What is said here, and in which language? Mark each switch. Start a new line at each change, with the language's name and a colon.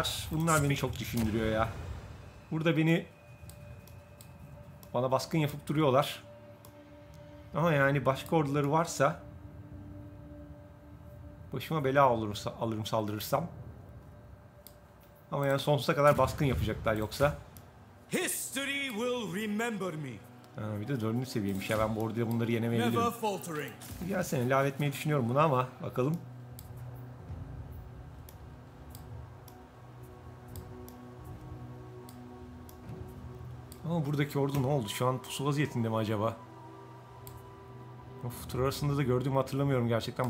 Turkish: Bunlar beni çok düşündürüyor ya. Burada beni bana baskın yapıp duruyorlar. Ama yani başka orduları varsa başıma bela olursa alırım saldırırsam. Ama yani sonsuza kadar baskın yapacaklar yoksa.
English: History will remember me.
Turkish: Bir de 4. seviyemiş ya, ben bu orduya bunları yenemeyebilirim. Gelsene, lağvetmeyi düşünüyorum bunu ama bakalım. Ama buradaki ordu ne oldu? Şu an pusu vaziyetinde mi acaba? Of, tur arasında da gördüğümü hatırlamıyorum gerçekten.